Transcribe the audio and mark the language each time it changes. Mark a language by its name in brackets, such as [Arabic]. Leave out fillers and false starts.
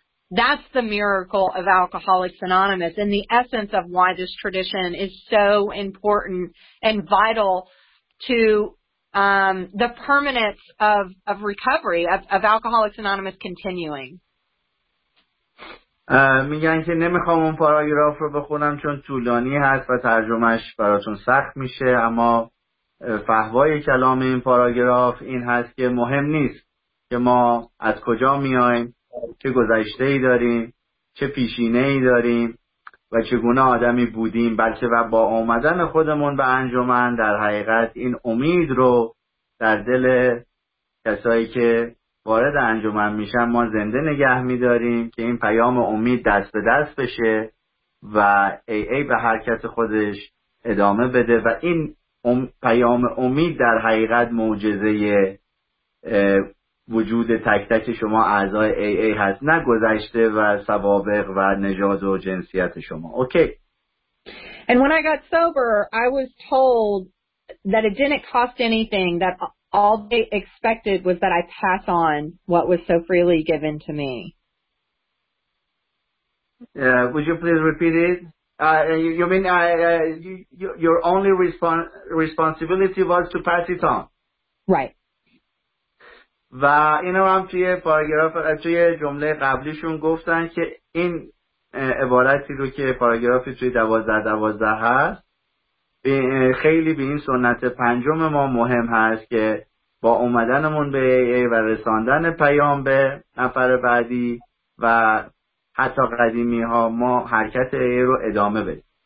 [English] That's the miracle of Alcoholics Anonymous, and the essence of why this tradition is so important and vital to the permanence of recovery, of Alcoholics Anonymous continuing. [Persian] میگن که نمیخوام اون پاراگراف رو بخونم چون طولانی هست و ترجمهش براتون سخت میشه، اما فهوای کلام این پاراگراف این هست که مهم نیست که ما از کجا میایم، چه گذشته ای داریم، چه پیشینه ای داریم و چگونه آدمی بودیم، بلکه و با آمدن خودمون به انجمن در حقیقت این امید رو در دل کسایی که وارد انجمن میشن ما زنده نگه میداریم که این پیام امید دست به دست بشه و AA به حرکت خودش ادامه بده و این پیام امید در حقیقت معجزه وجود تک تک شما اعضای AA هست، نه گذشته و سوابق و نژاد و جنسیت شما. [English] Okay. And when I got sober, I was told that it didn't cost anything, that all they expected was that I pass on what was so freely given to me. Would you please repeat it? Your only responsibility was to pass it on. Right. [Persian] و اینا هم توی پاراگراف توی جمله قبلیشون گفتن که این عبارتی رو که پاراگرافی توی 12-12 هست خیلی به این سنت پنجم ما مهم هست که با اومدنمون به AA و رساندن پیام به نفر بعدی و حتی قدیمی ها ما حرکت AA رو ادامه بدیم.